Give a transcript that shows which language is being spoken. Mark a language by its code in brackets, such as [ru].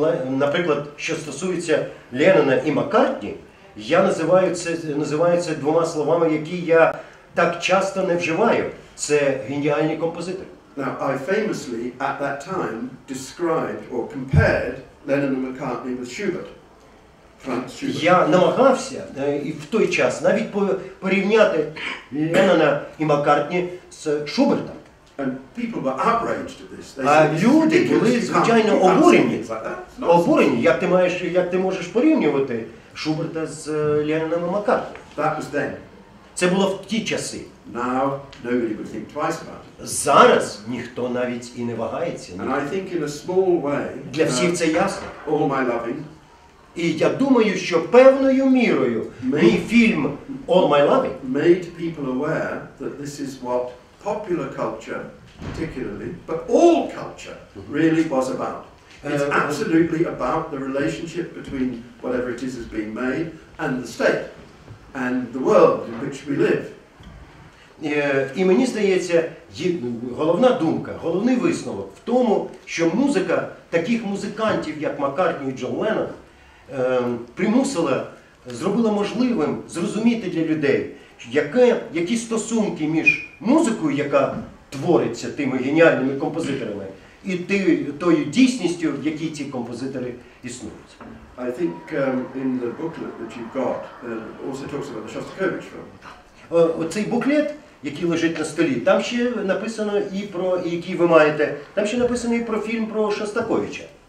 [uk] Наприклад, що стосується Леннона і Маккартні, я називаю це двома словами, які я так часто не вживаю. Це геніальні композитори. [en] Now, I famously, at that time, described or compared Lennon and McCartney with Schubert. [uk] Я намагався в той час навіть порівняти Леннона і Маккартні з Шубертом. [en] And people were outraged at this. [uk] А люди були, звичайно, обурені. Обурені, як ти можеш порівнювати Шуберта з Ленноном і Маккартні? [en] That was then. [uk] Це було в ті часи. [en] Now nobody would think twice about it. [uk] Зараз ніхто навіть і не вагається. [en] And I think in a small way, [uk] для всіх це ясно. [en] All my loving. [uk] І я думаю, що певною мірою мій фільм «All My Loving» [en] made people aware that this is what popular culture, particularly, but all culture, really was about. It's absolutely about the relationship between whatever it is being made and the state and the world in which we live. [uk] І мені здається, головна думка, головний висновок в тому, що музика таких музикантів, як Маккартні і Джон Леннон, примусила, зробила можливим зрозуміти для людей, які стосунки між музикою, яка твориться тими геніальними композиторами, і тою дійсністю, в якій ці композитори існують. [en] I think in the booklet that you've got also talks about the Shostakovich film. [uk] Оцей буклет, який лежить на столі, там ще написано і про, який ви маєте, там ще написано і про фільм про Шостаковича.